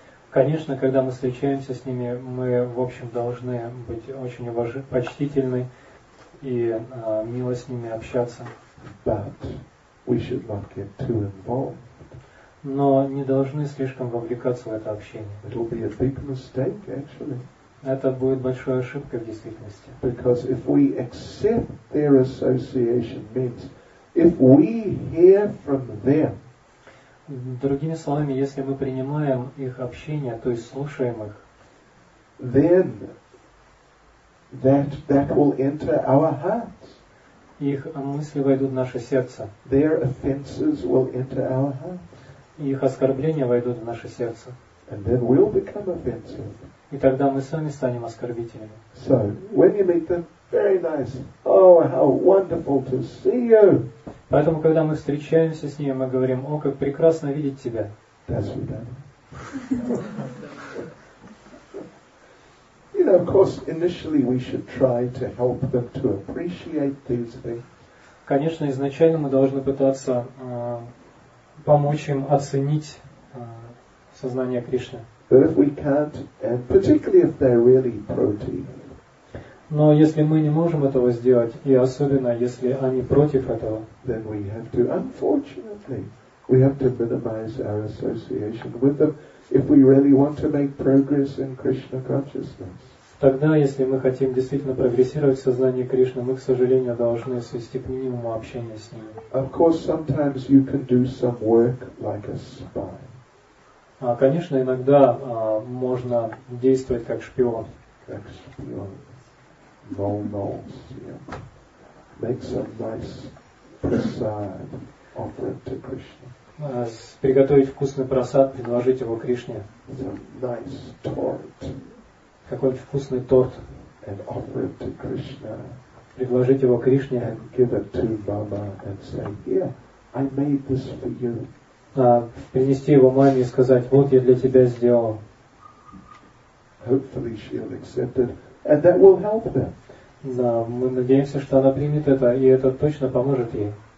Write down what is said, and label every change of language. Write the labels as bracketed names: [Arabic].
[Russian] Конечно, когда мы встречаемся с ними, мы, в общем, должны быть очень почтительны и мило с ними общаться. [English] But we should not get too involved. [Russian] Но не должны слишком вовлекаться в это общение. [English] It'll be a big mistake, actually. [Russian] Это будет большой ошибкой в действительности. [English] Because if we accept their association means, if we hear from them. [Russian] Другими словами, если мы принимаем их общение, то есть слушаем их, [English] then that will enter our hearts. [Russian] Их мысли войдут в наше сердце. [English] Their offenses will enter our hearts. [Russian] Их оскорбления войдут в наше сердце. [English] And then we'll become offensive. [Russian] И тогда мы сами станем оскорбителями. [English] So, when you meet them, very nice. Oh, how wonderful to see you. [Russian] Поэтому, когда мы встречаемся с ними, мы говорим, о, как прекрасно видеть тебя. До свидания. [English] You know, of course, initially we should try to help them to appreciate these things. [Russian] Конечно, изначально мы должны пытаться помочь им оценить сознание Кришны. [English] But if we can't, and particularly if they're really proti. [Russian] Но если мы не можем этого сделать, и особенно если они против этого, [English] then we have to, unfortunately, we have to minimize our association with them if we really want to make progress in Krishna consciousness. [Russian] Тогда, если мы хотим действительно прогрессировать в сознании Кришны, мы, к сожалению, должны свести к минимуму общение с ними. [English] Of course, sometimes you can do some work like a spy. [Russian] Конечно, иногда можно действовать как шпион. Как шпион. [English] Vulnerables, yeah. Make some nice prasad, offer it to Krishna. [Russian] Приготовить вкусный прасад, предложить его Кришне. [English] Some nice torte. [Russian] Какой-нибудь вкусный торт. [English] And offer it to Krishna. [Russian] Предложить его Кришне. [English] And give it to Baba and say, yeah, I made this for you. [Russian] Принести его маме и сказать, вот я для тебя сделал. [English] Hopefully she'll accept it. And that will help them. [Russian] Да, мы надеемся, что она примет это, и это точно поможет ей.